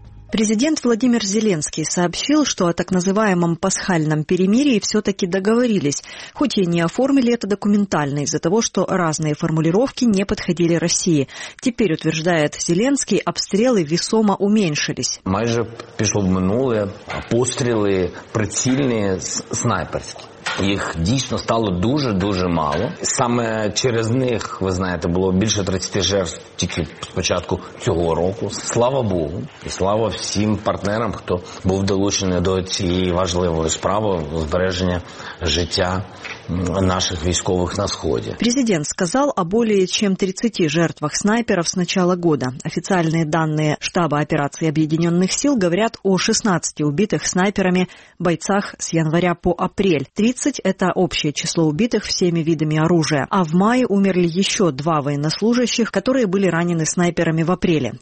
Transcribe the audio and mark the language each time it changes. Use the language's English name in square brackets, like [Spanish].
[Russian] Президент Владимир Зеленский сообщил, что о так называемом пасхальном перемирии все-таки договорились, хоть и не оформили это документально из-за того, что разные формулировки не подходили России. Теперь, утверждает Зеленский, обстрелы весомо уменьшились. [Ukrainian] Майже пішло в минуле, постріли прицільні снайперські. Їх дійсно стало дуже-дуже мало. Саме через них, ви знаєте, було більше 30 жертв тільки з початку цього року. Слава Богу! І слава всім партнерам, хто був долучений до цієї важливої справи – збереження життя наших військових на Сході. [Russian] Президент сказав о более чем 30 жертвах снайперов с начала года. Официальные данные штаба операции Объединенных сил говорят о 16 убитых снайперами бойцах с января по апрель. 30 – это общее число убитых всеми видами оружия. А в мае умерли еще два военнослужащих, которые были ранены снайперами в апреле.